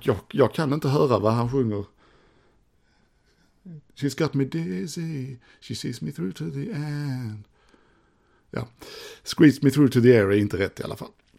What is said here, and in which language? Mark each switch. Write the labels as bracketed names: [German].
[Swedish] Jag kan inte höra vad han sjunger. [English] She's got me dizzy. She sees me through to the end. [Swedish] Ja, [English] squeeze me through to the air [Swedish] är inte rätt i alla fall.